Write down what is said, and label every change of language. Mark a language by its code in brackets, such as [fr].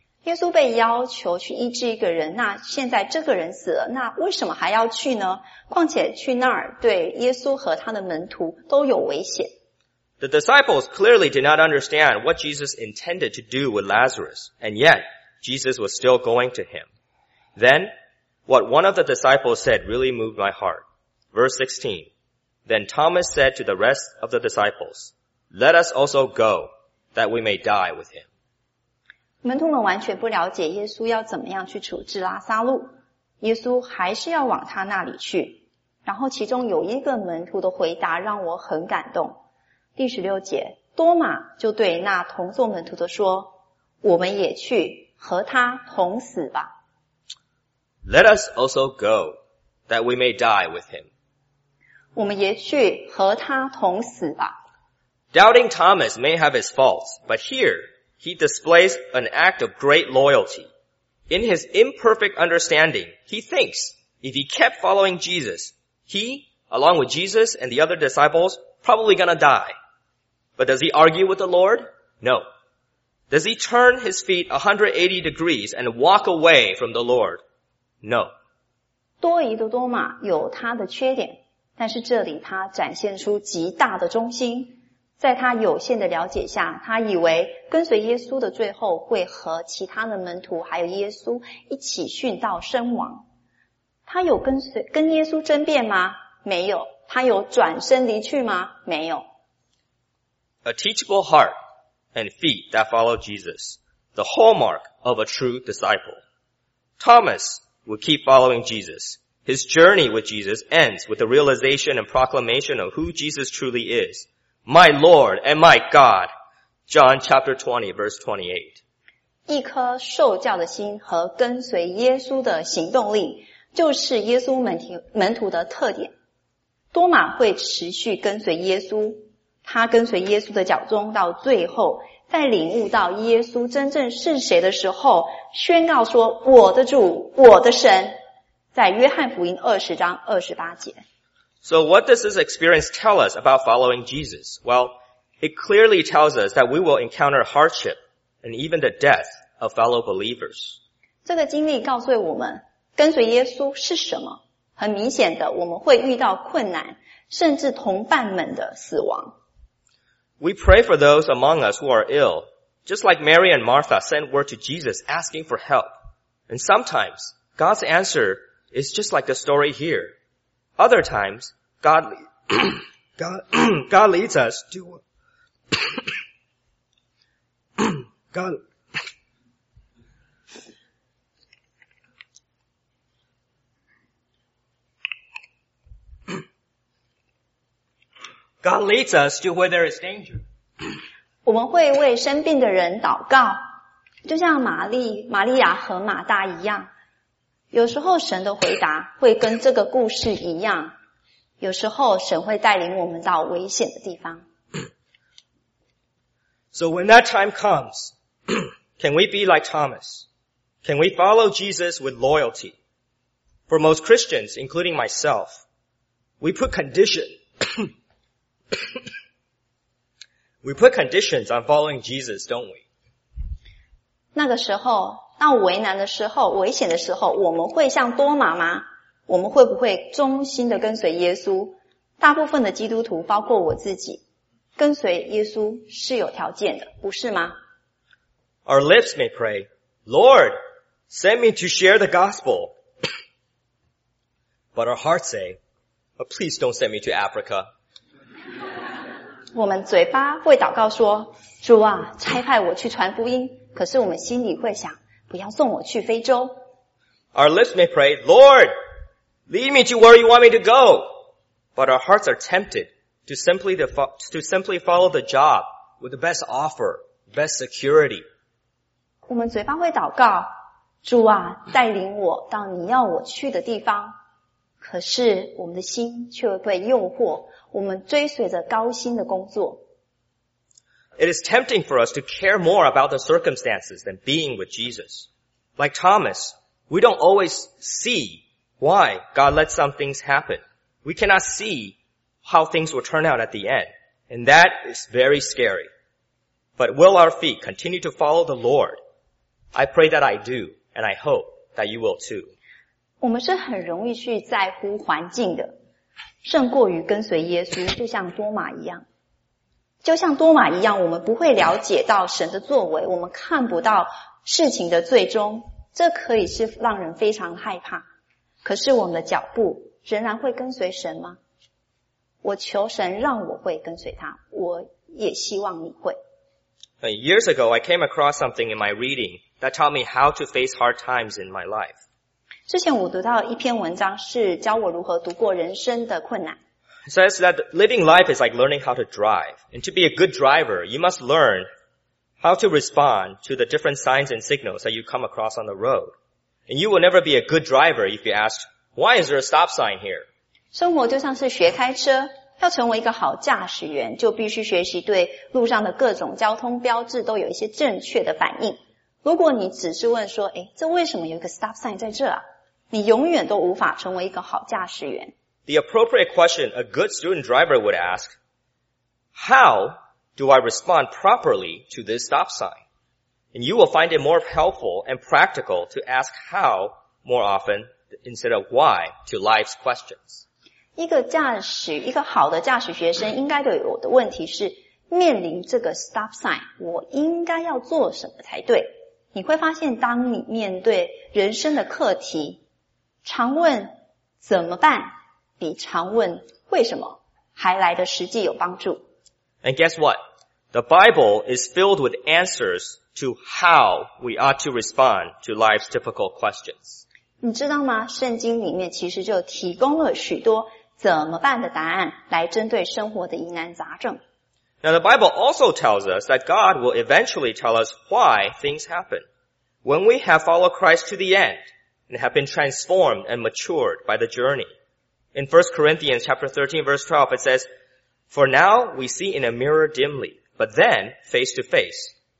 [zh] 耶稣被要求去医治一个人，那现在这个人死了，那为什么还要去呢？况且去那儿对耶稣和他的门徒都有危险。 [en] The disciples clearly did not understand what Jesus intended to do with Lazarus, and yet Jesus was still going to him. Then, what one of the disciples said really moved my heart. Verse 16, Then Thomas said to the rest of the disciples, Let us also go, that we may die with him. [zh] 门徒们完全不了解耶稣要怎么样去处置拉撒路，耶稣还是要往他那里去。然后其中有一个门徒的回答让我很感动。第十六节，多马就对那同坐门徒的说，我们也去和他同死吧。 [en] Let us also go, that we may die with him. [zh] 我们也去和他同死吧。 [en] Doubting Thomas may have his faults, but here,He displays an act of great loyalty. In his imperfect understanding, he thinks if he kept following Jesus, he, along with Jesus and the other disciples, probably gonna die. But does he argue with the Lord? No. Does he turn his feet 180 degrees and walk away from the Lord? No. [zh] 多疑的多马有他的缺点，但是这里他展现出极大的忠心。在他有限的了解下，他以为跟随耶稣的最后会和其他的门徒还有耶稣一起殉道身亡。他有跟耶稣争辩吗？没有。他有转身离去吗？没有。 [en] A teachable heart and feet that follow Jesus, the hallmark of a true disciple. Thomas will keep following Jesus. His journey with Jesus ends with the realization and proclamation of who Jesus truly is. My Lord and my God. John chapter 20, verse 28. [zh] 一颗受教的心和跟随耶稣的行动力就是耶稣门徒的特点。多马会持续跟随耶稣，他跟随耶稣的脚踪到最后，在领悟到耶稣真正是谁的时候，宣告说：“我的主，我的神。” 在约翰福音二十章二十八节。 [en] So what does this experience tell us about following Jesus? Well, it clearly tells us that we will encounter hardship and even the death of fellow believers. [zh] 这个经历告诉我们，跟随耶稣是什么？很明显的，我们会遇到困难，甚至同伴们的死亡。 [en] We pray for those among us who are ill, just like Mary and Martha sent word to Jesus asking for help. And sometimes, God's answer is just like the story here. Other times, God leads us to... God leads us to where there is danger. [zh] 我们会为生病的人祷告，就像玛利亚和马大一样。有时候神的回答会跟这个故事一样，有时候神会带领我们到危险的地方。 [en] So when that time comes, can we be like Thomas? Can we follow Jesus with loyalty? For most Christians, including myself, we put condition. We put conditions on following Jesus, don't we? [zh] 那个时候，当危难的时候，危险的时候，我们会像多马吗？我们会不会忠心的跟随耶稣？大部分的基督徒，包括我自己，跟随耶稣是有条件的，不是吗？ [en] Our lips may pray, Lord, send me to share the gospel. But our hearts say, oh, please don't send me to Africa. [zh] 我们嘴巴会祷告说，主啊，差派我去传福音，可是我们心里会想，不要送我去非洲。 [en] Our lips may pray, Lord, lead me to where you want me to go. But our hearts are tempted to simply follow the job with the best offer, best security. [zh] 我们嘴巴会祷告，主啊，带领我到你要我去的地方，可是我们的心却会被诱惑，我们追随着高薪的工作。 [en] It is tempting for us to care more about the circumstances than being with Jesus. Like Thomas, we don't always see why God lets some things happen. We cannot see how things will turn out at the end. And that is very scary. But will our feet continue to follow the Lord? I pray that I do, and I hope that you will too. [zh] 我们是很容易去在乎环境的，胜过于跟随耶稣，就像多马一样，我们不会了解到神的作为，我们看不到事情的最终，这可以是让人非常害怕。可是我们的脚步仍然会跟随神吗？我求神让我会跟随他，我也希望你会。 [en] Years ago, I came across something in my reading that taught me how to face hard times in my life. [zh] 之前我读到一篇文章，是教我如何度过人生的困难。 [en] It says that living life is like learning how to drive. And to be a good driver, you must learn how to respond to the different signs and signals that you come across on the road. And you will never be a good driver if you ask, why is there a stop sign here? [zh] 生活就像是学开车，要成为一个好驾驶员，就必须学习对路上的各种交通标志都有一些正确的反应。如果你只是问说，诶，这为什么有一个 [en] stop sign [zh] 在这啊？你永远都无法成为一个好驾驶员。 [en] The appropriate question a good student driver would ask, how do I respond properly to this stop sign? And you will find it more helpful and practical to ask how more often instead of why to life's questions. [zh] 一个好的驾驶学生应该都有的问题是，面临这个 [en] stop sign, [zh] 我应该要做什么才对？你会发现，当你面对人生的课题，常问怎么办，比常问为什么还来得实际有帮助。 [en] And guess what? The Bible is filled with answers to how we ought to respond to life's difficult questions. [zh] 你知道吗？圣经里面其实就提供了许多怎么办的答案，来针对生活的疑难杂症。 [en] Now the Bible also tells us that God will eventually tell us why things happen. When we have followed Christ to the end and have been transformed and matured by the journey. In 1 Corinthians chapter 13 verse 12 it says, For now we see in a mirror dimly, but then face to face.